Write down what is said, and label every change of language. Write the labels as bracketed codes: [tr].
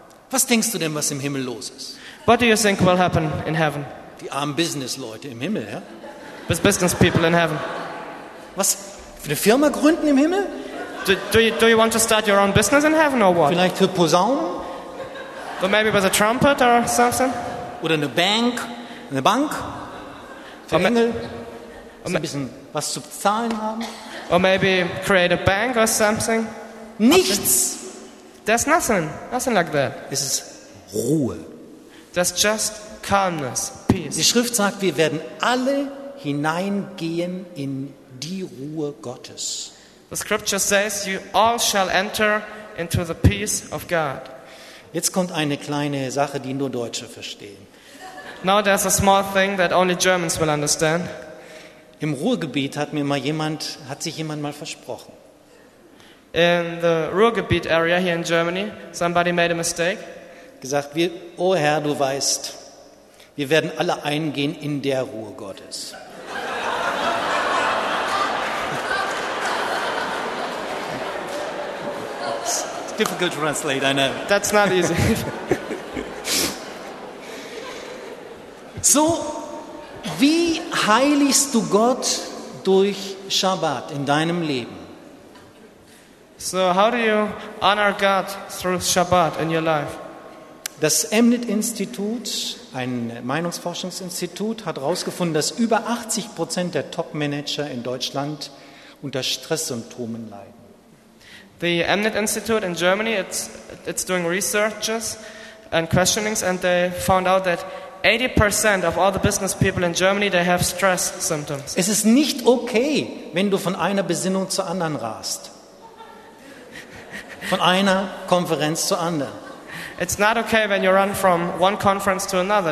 [de] Was denkst du denn, was im Himmel los ist? [en] What do you think will happen in heaven? [de] Die armen Businessleute im Himmel, ja? [en] Business people in heaven. [de] Was für eine Firma gründen im Himmel? [en] Do you want to start your own business in heaven or what? [de] Vielleicht für Posaunen? [en] Or maybe with a trumpet or something? [de] Oder eine Bank? Eine Bank? Für Engel? Um ein bisschen was zu bezahlen haben? [en] Or maybe create a bank or something? [de] Nichts. [en] There's nothing like that. [de] Es ist Ruhe. [en] There's just calmness, peace. [de] Die Schrift sagt, wir werden alle hineingehen in die Ruhe Gottes. [en] The scripture says, you all shall enter into the peace of God. [de] Jetzt kommt eine kleine Sache, die nur Deutsche verstehen. [en] Now there's a small thing that only Germans will understand. [de] Im Ruhrgebiet hat sich jemand mal versprochen. [en] In the Ruhrgebiet area here in Germany, somebody made a mistake. [de] Gesagt, oh Herr, du weißt, wir werden alle eingehen in der Ruhe Gottes. [en] It's difficult to translate, I know. That's not easy. [de] So, wie heiligst du Gott durch Shabbat in deinem Leben? [en] So, how do you honor God through Shabbat in your life? [de] Das Amnet-Institut, ein Meinungsforschungsinstitut, hat herausgefunden, dass über 80% der Top-Manager in Deutschland unter Stresssymptomen leiden. [en] The Amnet-Institut in Germany, it's doing researches and questionings, and they found out that 80% of all the business people in Germany, they have stress symptoms. [de] Es ist nicht okay, wenn du von einer Besinnung zur anderen rast. Von einer Konferenz zur anderen. [en] It's not okay when you run from one conference to another.